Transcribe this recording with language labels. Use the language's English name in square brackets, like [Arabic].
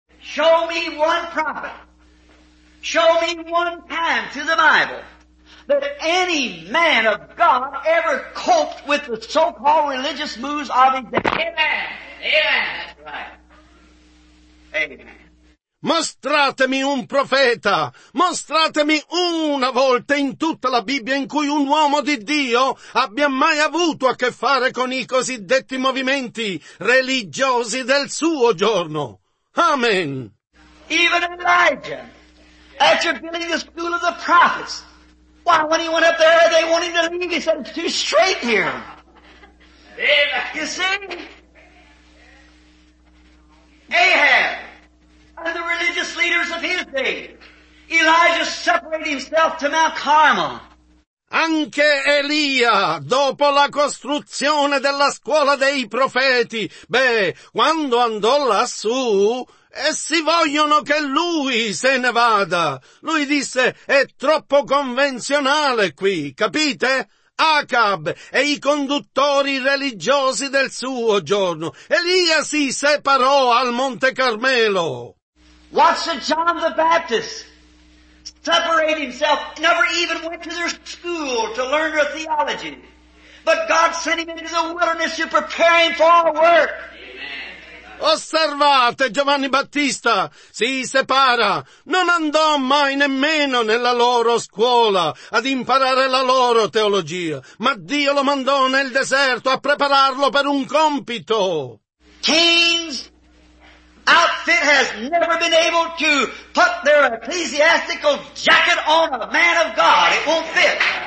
[English] Show me one prophet. Show me one time to the Bible that any man of God ever coped with the so-called religious moves of his day. Amen. Amen. That's right. Amen. [Italian] Mostratemi un profeta, mostratemi una volta in tutta la Bibbia in cui un uomo di Dio abbia mai avuto a che fare con i cosiddetti movimenti religiosi del suo giorno. [English] Amen. Even Elijah. At your building, the school of the prophets. Why, when he went up there, they wanted to leave. He said, it's too straight here. Amen. You see? Ahab and the religious leaders of his day. Elijah separated himself to Mount Carmel. [Italian] Anche Elia, dopo la costruzione della scuola dei profeti, beh, quando andò lassù, essi vogliono che lui se ne vada. Lui disse, è troppo convenzionale qui, capite? Acab e i conduttori religiosi del suo giorno. Elia si separò al Monte Carmelo. [English] What's the John the Baptist? Separate himself, never even went to their school to learn their theology. But God sent him into the wilderness to prepare him for our work. [Italian] Osservate, Giovanni Battista si separa, non andò mai nemmeno nella loro scuola ad imparare la loro teologia, ma Dio lo mandò nel deserto a prepararlo per un compito. [English] Cain's outfit has never been able to put their ecclesiastical jacket on a man of God. It won't fit.